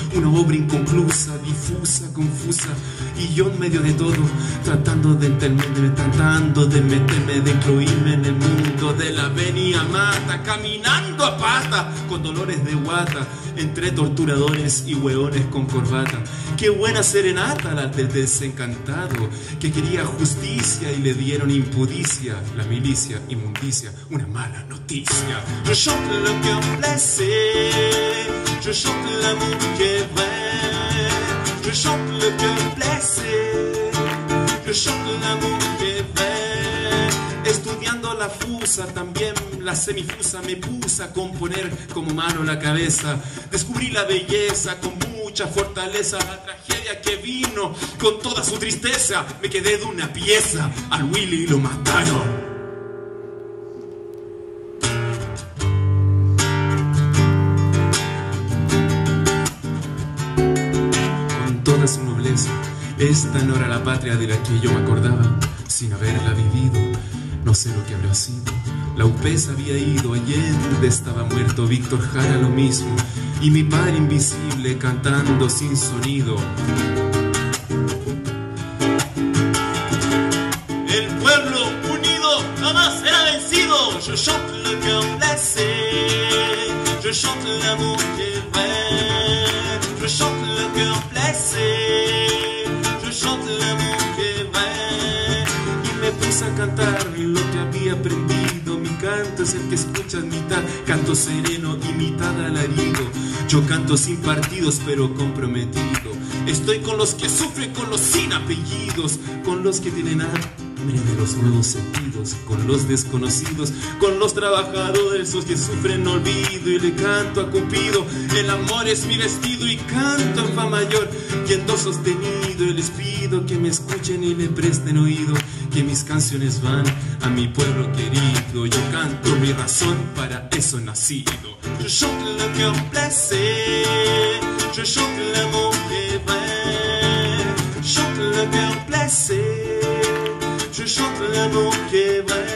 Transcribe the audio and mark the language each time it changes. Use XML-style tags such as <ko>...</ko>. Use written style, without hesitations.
<es>Una obra inconclusa, difusa, confusa. Y yo en medio de todo, tratando de entenderme, tratando de meterme, de incluirme en el mundo de la Avenida Mata, caminando a pata, con dolores de guata, entre torturadores y hueones con corbata. Qué buena serenata la del desencantado, que quería justicia y le dieron impudicia, la milicia inmundicia, una mala noticia.</es> <fr>Je chante le cœur blessé, je chante l'amour qui est vrai. Je chante le cœur blessé, je chante l'amour qui est vrai.</fr> <es>Estudiando la fusa también, la semifusa, me puse a componer como mano la cabeza. Descubrí la belleza con mucha fortaleza. La tragedia que vino con toda su tristeza. Me quedé de una pieza, al Willy lo mataron. Con toda su nobleza, esta no era la patria de la que yo me acordaba. Sin haberla vivido, no sé lo que habrá sido. La UPS había ido, Allende estaba muerto, Víctor Jara lo mismo, y mi padre invisible cantando sin sonido. El pueblo unido jamás será vencido.</es> <fr>Je chante le cœur blessé, je chante l'amour qui est vrai. Je chante le cœur blessé, je chante l'amour qui est vrai.</fr> <es>Y me puse a cantar lo que había aprendido. Canto es el que escuchas mitad, canto sereno y mitad alarido. Yo canto sin partidos pero comprometido. Estoy con los que sufren, con los sin apellidos, con los que tienen hambre de los nuevos sentidos, con los desconocidos, con los trabajadores, los que sufren olvido. Y le canto a Cupido, el amor es mi vestido. Y canto en fa mayor y en do sostenido. Y les pido que me escuchen y le presten oído, que mis canciones van a mi pueblo querido. Yo canto mi razón, para eso nacido.</es> <fr>Je chante le cœur blessé, je chante l'amour qui est vrai. Je chante le cœur blessé, je chante l'amour qui est vrai.</fr>